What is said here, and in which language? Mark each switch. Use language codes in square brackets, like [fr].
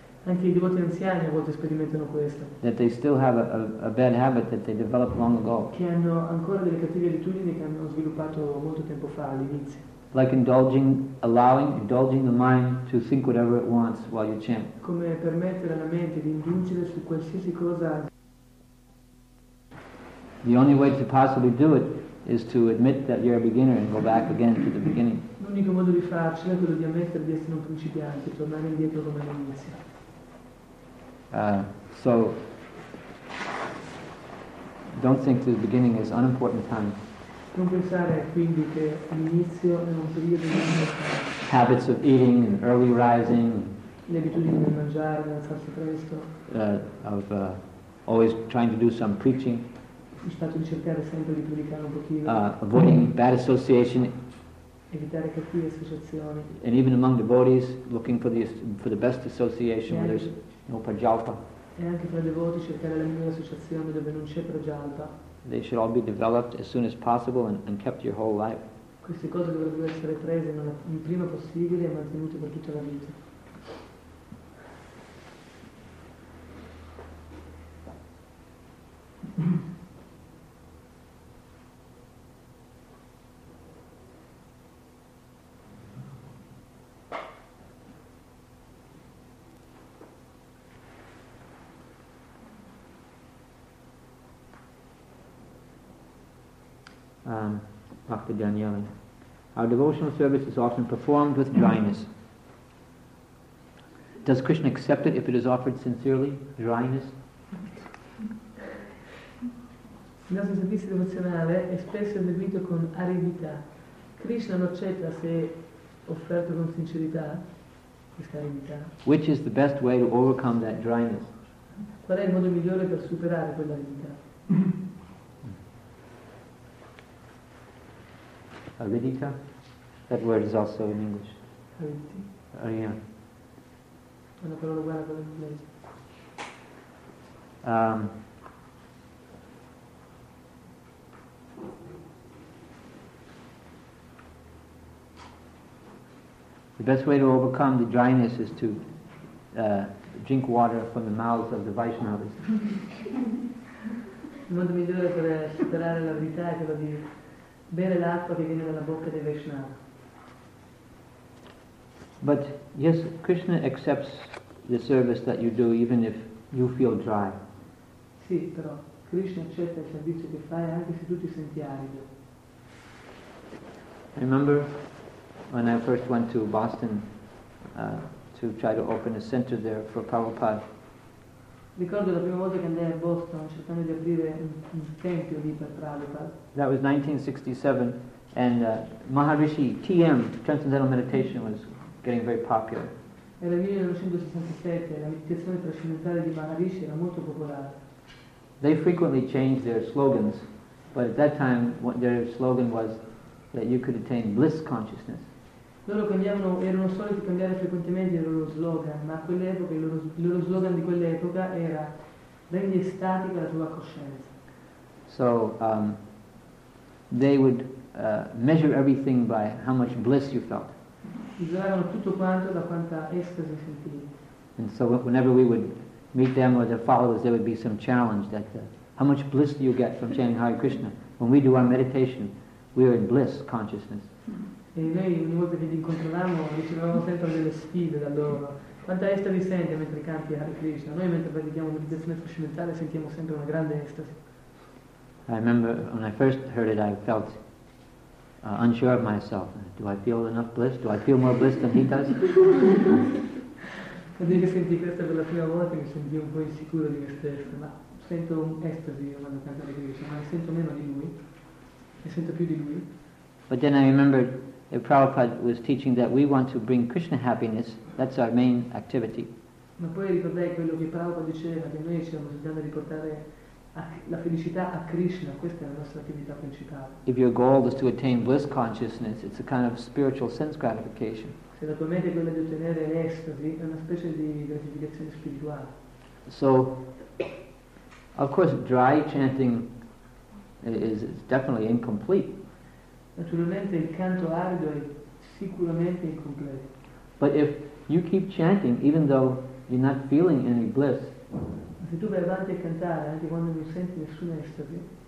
[it] Anche i devoti anziani a volte sperimentano questo. [en] That they still have a bad habit that they developed long ago. [it] Che hanno ancora delle cattive abitudini che hanno sviluppato molto tempo fa, all'inizio. [en] Like indulging the mind to think whatever it wants while you chant. [it] Come permettere alla mente di indulgere su qualsiasi cosa. [en] The only way to possibly do it is to admit that you're a beginner and go back again to the beginning. [it] L'unico modo di farcela è quello di ammettere di essere un principiante e tornare indietro come all'inizio. [en] So don't think the beginning is unimportant time. [it] Non pensare quindi che l'inizio è un periodo di [en] habits of eating and early rising. [it] Le abitudini di mangiare, di alzarsi presto. [en] Of always trying to do some preaching. [it] Stato di cercare sempre di predicare un pochino. [en] Avoiding bad association. [it] Evitare cattive associazioni. [en] And even among devotees, looking for the best association where there's no prajalpa. [it] E anche fra i devoti cercare la migliore associazione dove non c'è prajalpa. [en] They should all be developed as soon as possible and kept your whole life. [it] Queste cose dovrebbero essere prese il prima possibile e mantenute per tutta la vita. Bhakti Daniele. [en] Our devotional service is often performed with dryness. Does Krishna accept it if it is offered sincerely? Dryness? [it] Il nostro servizio devozionale è spesso eseguito con aridità. Krishna lo accetta se offerto con sincerità questa aridità. [en] Which is the best way to overcome that dryness? [it] Qual è il modo migliore per superare quell'aridità? [en] Aridita? That word is also in English. Aridity? Arina. [it] È una parola uguale con l'inglese. [en] The best way to overcome the dryness is to drink water from the mouth of the Vaishnavas. [it] Il modo migliore per superare la verità è quello di bere l'acqua che viene dalla bocca dei Vaishnava. [en] But yes, Krishna accepts the service that you do even if you feel dry. [it] Sì, però Krishna accetta il servizio che fai anche se tu ti senti arido. [en] I remember when I first went to Boston to try to open a center there for Prabhupada. [it] Ricordo la prima volta che andai a Boston cercando di aprire un tempio lì per Prabhupada. [en] That was 1967, and Maharishi TM, Transcendental Meditation, was getting very popular. [it] Era 1967, la meditazione trascendentale di Maharishi era molto popolare. [en] They frequently changed their slogans, but at that time their slogan was that you could attain bliss consciousness. [it] Loro cambiavano, erano soliti cambiare frequentemente il loro slogan, ma a quell'epoca il loro slogan di quell'epoca era rendi estatica la tua coscienza. [en] So they would measure everything by how much bliss you felt. [it] Misuravano tutto quanto da quanta estasi sentivi. [en] And so whenever we would meet them or their followers, there would be some challenge that how much bliss do you get from chanting Hare Krishna? When we do our meditation, we are in bliss consciousness. [it] E noi ogni volta che li incontravamo ricevevamo sempre delle sfide da loro. Quanta estasi senti mentre canti Hare Krishna? Noi mentre praticiamo meditazione trascendentale sentiamo sempre una grande estasi. [en] I remember when I first heard it I felt unsure of myself. Do I feel enough bliss? Do I feel more bliss than he does? [it] Quando io sentì questa per la prima volta mi sentì un po' insicuro di me stesso, ma sento un estasi io quando canto Hare Krishna, ma sento meno di lui. Mi sento più di lui. [en] But then I remembered that Prabhupada was teaching that we want to bring Krishna happiness, that's our main activity. [it] Ma poi ricordai quello che Prabhupada diceva, che noi siamo bisogno di portare la felicità a Krishna, questa è la nostra attività principale. [en] If your goal is to attain bliss consciousness, it's a kind of spiritual sense gratification. [it] Se la tua mente è quella di ottenere l'estasi, è una specie di gratificazione spirituale. [en] So, of course, dry chanting is definitely incomplete. [it] Naturalmente il canto arido è sicuramente incompleto. [en] But if you keep chanting even though you're not feeling any bliss, [it] se tu vai avanti a cantare anche quando non senti nessuna estasi,